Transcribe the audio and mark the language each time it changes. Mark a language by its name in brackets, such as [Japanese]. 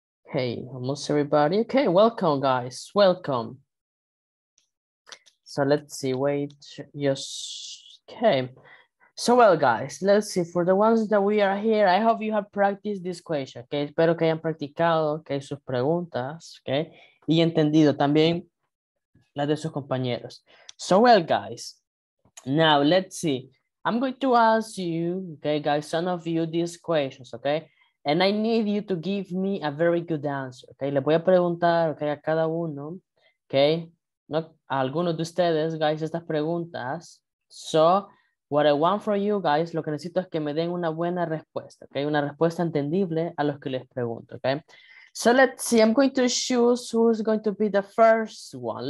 [English] Okay, almost everybody. Okay, welcome, guys, welcome. So let's see, wait, yes, okay. So well, guys, let's see, for the ones that we are here, I hope you have practiced this question, okay? [Spanish] Espero que hayan practicado, okay, sus preguntas, okay? Y entendido también las de sus compañeros. [English] So well, guys, now let's see. I'm going to ask you, okay, guys, some of you these questions, okay? And I need you to give me a very good answer, okay? [Spanish] Le voy a preguntar, okay, a cada uno, okay? No, a algunos de ustedes, guys, estas preguntas. [English] So, what I want from you, guys, [Spanish] lo que necesito es que me den una buena respuesta, okay? Una respuesta entendible a los que les pregunto, okay? [English] So, let's see, I'm going to choose who's going to be the first one.